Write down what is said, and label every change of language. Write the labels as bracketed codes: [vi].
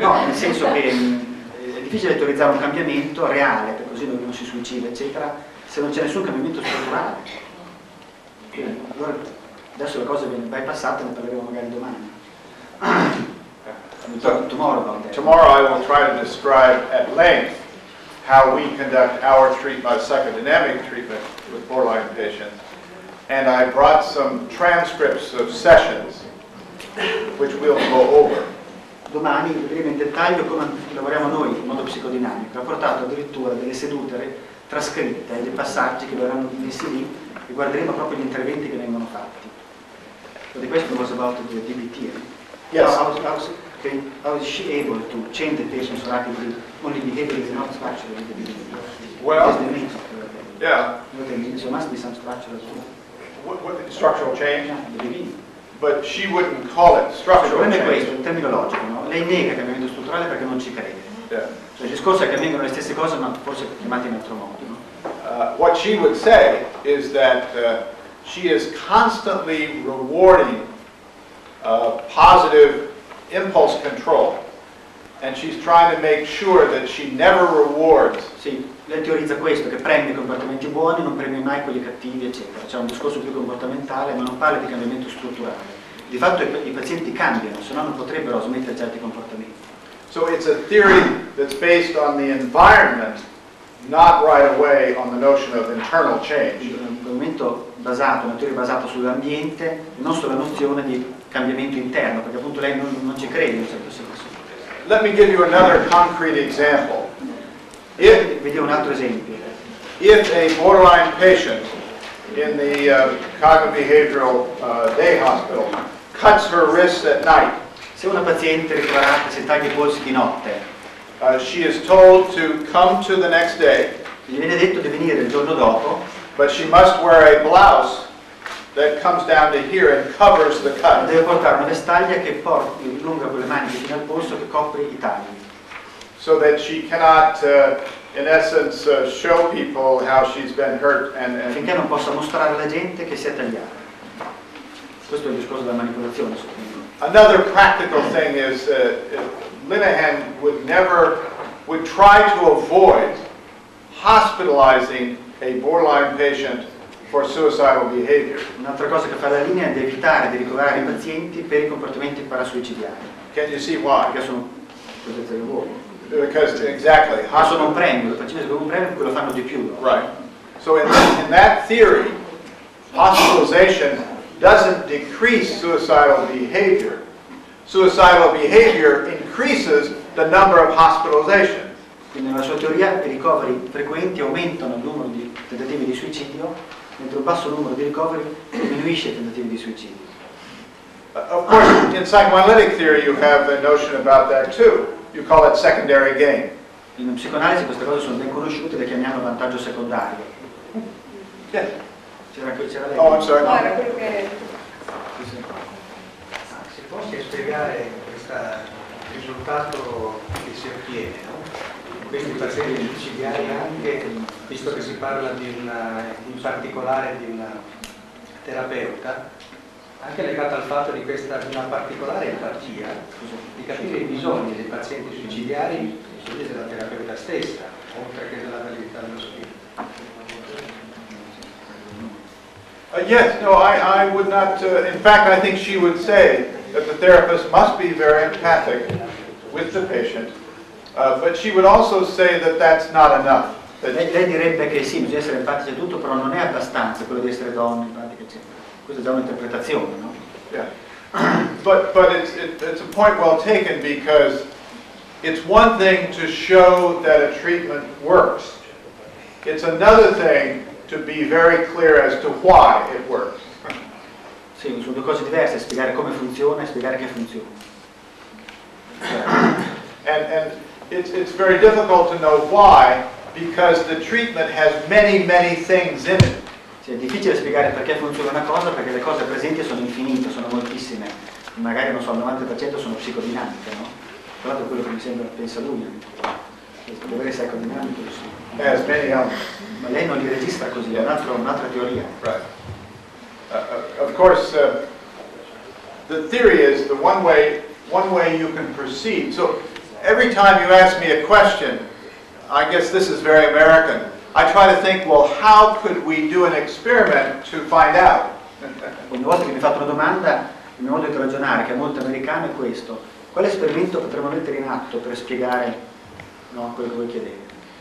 [it] No, nel senso che è difficile teorizzare un cambiamento reale, per così non si suicida, eccetera, se non c'è nessun cambiamento strutturale. Allora, adesso la cosa viene bypassata, ne parleremo magari domani. [en] Tomorrow I will try to describe at length how we conduct our treatment, psychodynamic treatment with borderline patients, and I brought some transcripts of sessions which we'll go over. [it] Domani vedremo in dettaglio come lavoriamo noi in modo psicodinamico. Ha portato addirittura delle sedute trascritte, dei passaggi che verranno messi lì e guarderemo proprio gli interventi che vengono fatti. Di questo cosa volte di DBT. [en] Yes. I was can, how is she able to change the patient so rapidly when the behavior is not structural in the beginning? Well, the main what I mean, so must be some structural as well. What the structural change? Yeah, in the beginning. But she wouldn't call it structural. [it] Il problema è questo, il termine logico, no? Lei nega il cambiamento strutturale perché non ci crede. [en] Yeah. [it] Cioè, il discorso è che avvengono le stesse cose, ma forse chiamate in altro modo, no? [en] What she would say is that she is constantly rewarding positive impulse control, and she's trying to make sure that she never rewards. [it] Sì, lei teorizza questo, che premia i comportamenti buoni, non premia mai quelli cattivi, eccetera. C'è un discorso più comportamentale, ma non parla di cambiamento strutturale. Di fatto i pazienti cambiano, se no non potrebbero smettere certi comportamenti. [en] So it's a theory that's based on the environment, not right away on the notion of internal change. [it] Un argomento basato, una teoria basata sull'ambiente, non sulla nozione di cambiamento interno, perché appunto lei non ci crede in un certo senso. [en] Let me give you another concrete example. [it] Vediamo un altro esempio. [en] If a borderline patient in the cognitive behavioral day hospital cuts her wrists at night. [it] Se una paziente ricoverata si taglia i polsi di notte. [en] She is told to come to the next day. [it] Gli viene detto di venire il giorno dopo. [en] But she must wear a blouse that comes down to here and covers the cut. [it] Deve portare una vestaglia che porti lunga quelle maniche fino al polso che copre i tagli. [en] So that she cannot, in essence, show people how she's been hurt and. [it] Finché non possa mostrare alla gente che si è tagliata. Questo è il discorso della manipolazione. [en] Another practical thing is Linehan would try to avoid hospitalizing a borderline patient for suicidal behavior. [it] Un'altra cosa che fa la linea è di evitare di ricoverare i pazienti per i comportamenti parasuicidiari. [en] Can you see why? [it] Perché sono [en] Because exactly. [it] Sono un premio, il paziente è un premio, quello fanno di più. [en] Right. So in that theory, hospitalization doesn't decrease suicidal behavior. Suicidal behavior increases the number of hospitalizations. [it] Quindi nella sua teoria i ricoveri frequenti aumentano il numero di tentativi di suicidio, mentre un basso numero di ricoveri diminuisce i tentativi di suicidio. [en] Of course, in psychoanalytic theory you have a notion about that too. You call it secondary gain. [it] In psicoanalisi queste cose sono ben conosciute, le chiamiamo vantaggio secondario. [en] Yes. [it] C'era lei. [en] Oh, I'm sorry. [it] No, era quello che... Posso spiegare questo risultato che si ottiene, no? Questi pazienti suicidiari anche, visto che si parla di una, in particolare di una terapeuta, anche legato al fatto di questa una particolare empatia, di capire i bisogni dei pazienti suicidiari e della terapeuta stessa, oltre che della validità dello spirito. [en] Yes, no, I would not, in fact I think she would say that the therapist must be very empathic with the patient, but she would also say that that's not enough. [it] Lei direbbe che sì, bisogna essere empatici a tutto, però non è abbastanza quello di essere donna, empatica, eccetera. Questa è già un'interpretazione, no? [en] Yeah, but it's a point well taken because it's one thing to show that a treatment works. It's another thing to be very clear as to why it works. [it] Sì, sono due cose diverse, spiegare come funziona e spiegare che funziona. [en] And it's very difficult to know why, because the treatment has many, many things in it. [it] Sì, è difficile spiegare perché funziona una cosa, perché le cose presenti sono infinite, sono moltissime. Magari, non so, il 90% sono psicodinamiche, no? Tra l'altro è quello che mi sembra, pensa lui. Dovrebbe essere psicodinamico, sì. [en] As many others. [it] Ma lei non li registra così, è un'altra teoria. [en] Right. Of course, the theory is the one way you can proceed. So every time you ask me a question, I guess this is very American, I try to think, well, how could we do an experiment to find out? [it] Ogni volta che mi fate una domanda, il mio modo di ragionare, che è molto americano, è questo. Quale esperimento potremmo mettere in atto per spiegare, no, quello che voi chiedete?